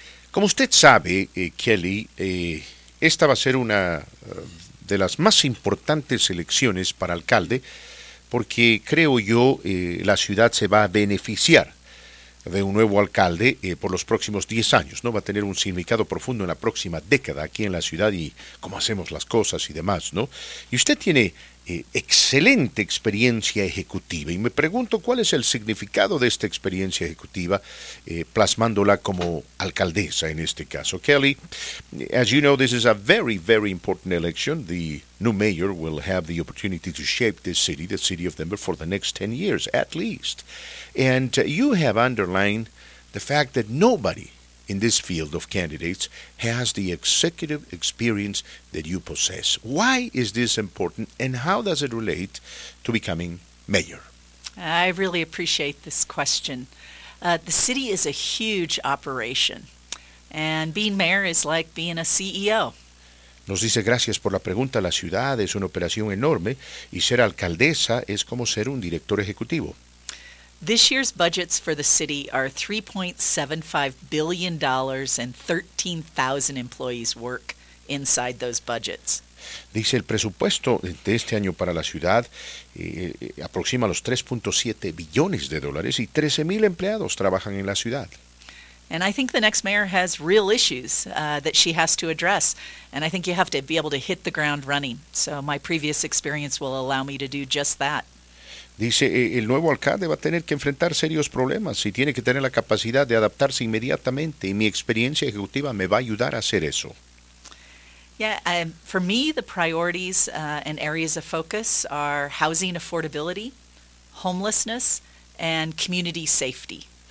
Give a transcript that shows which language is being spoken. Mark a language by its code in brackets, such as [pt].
[es] Como usted sabe, Kelly, esta va a ser una de las más importantes elecciones para alcalde, porque creo yo la ciudad se va a beneficiar de un nuevo alcalde por los próximos 10 años, ¿no? Va a tener un significado profundo en la próxima década aquí en la ciudad y cómo hacemos las cosas y demás, ¿no? Y usted tiene excelente experiencia ejecutiva y me pregunto cuál es el significado de esta experiencia ejecutiva plasmándola como alcaldesa en este caso. [en] Kelly, as you know, this is a very, very important election. The new mayor will have the opportunity to shape the city of Denver, for the next 10 years at least. And you have underlined the fact that nobody in this field of candidates has the executive experience that you possess. Why is this important and how does it relate to becoming mayor? I really appreciate this question. The city is a huge operation and being mayor is like being a CEO. [es] Nos dice, gracias por la pregunta, la ciudad es una operación enorme y ser alcaldesa es como ser un director ejecutivo. [en] This year's budgets for the city are $3.75 billion and 13,000 employees work inside those budgets. [es] Dice el presupuesto de este año para la ciudad aproxima los 3.7 billones de dólares y 13,000 empleados trabajan en la ciudad. [en] And I think the next mayor has real issues that she has to address. And I think you have to be able to hit the ground running. So my previous experience will allow me to do just that. [es] Dice, el nuevo alcalde va a tener que enfrentar serios problemas y tiene que tener la capacidad de adaptarse inmediatamente. Y mi experiencia ejecutiva me va a ayudar a hacer eso. [en] Yeah, for me, the priorities and areas of focus are housing affordability, homelessness, and community safety.